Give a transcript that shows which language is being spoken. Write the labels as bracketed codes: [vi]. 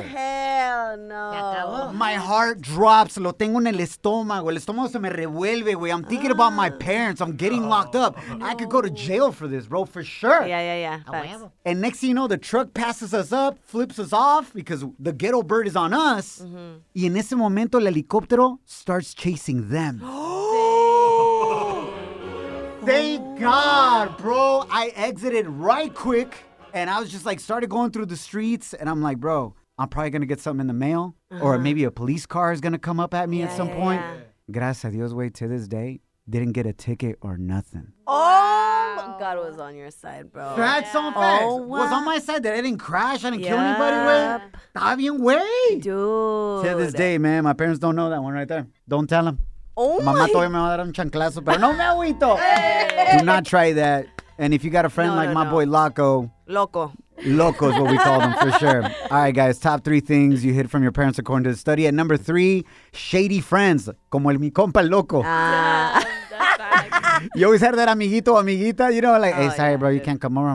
[en] Oh, hell no. My heart drops. [es] Lo tengo en el estómago. El estómago se me revuelve, güey. [en] I'm thinking about my parents. I'm getting locked up. No. I could go to jail for this, bro, for sure. Yeah, yeah, yeah. Facts. And next thing you know, the truck passes us up, flips us off, because the ghetto bird is on us. Mm-hmm. [es] Y en ese momento, el helicóptero [en] starts chasing them. Thank God, bro. I exited right quick, and I was just like, started going through the streets, and I'm like, bro, I'm probably going to get something in the mail, or maybe a police car is going to come up at me at some point. Yeah. [es] Gracias a Dios, wey, [en] to this day, didn't get a ticket or nothing. Oh, God was on your side, bro. That's on facts. Was on my side that I didn't crash, I didn't kill anybody, wey. [es] Está bien, wey. [en] Dude. To this day, man, my parents don't know that one right there. Don't tell them. Oh, [es] mamá todavía me va a dar un chanclazo, pero no me agüito. [en] Do not try that. And if you got a friend like my boy Loco. Loco. Loco is what we call them for sure. All right, guys. Top three things you hid from your parents according to the study. At number three, shady friends. [es] Como el mi compa el Loco. [en] You always heard that [es] amiguito, amiguita, [en] you know, like, hey, sorry, bro, you can't come over.